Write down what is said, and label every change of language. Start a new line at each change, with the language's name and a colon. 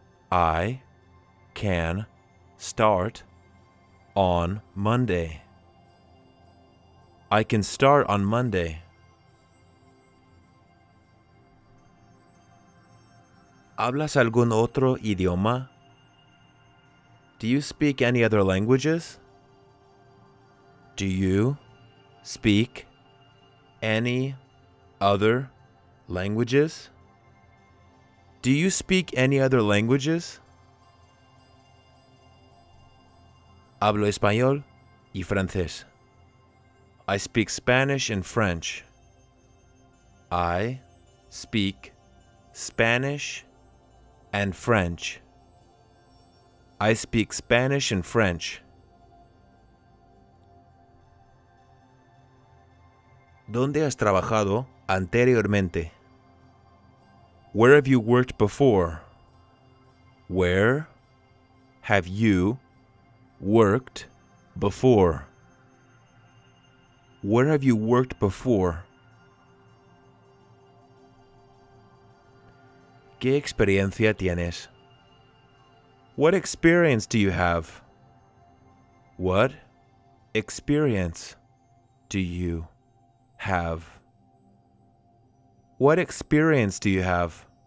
English: I can start on Monday. I can start on Monday.
Spanish: ¿Hablas algún otro idioma?
English: Do you speak any other languages? Do you speak any other languages? Do you speak any other languages?
Spanish: Hablo español y francés.
English: I speak Spanish and French. I speak Spanish and French. I speak Spanish and French.
Spanish: ¿Dónde has trabajado anteriormente?
English: Where have you worked before? Where have you worked before? Where have you worked before?
Spanish: ¿Qué experiencia tienes?
English: What experience do you have? What experience do you have? What experience do you have?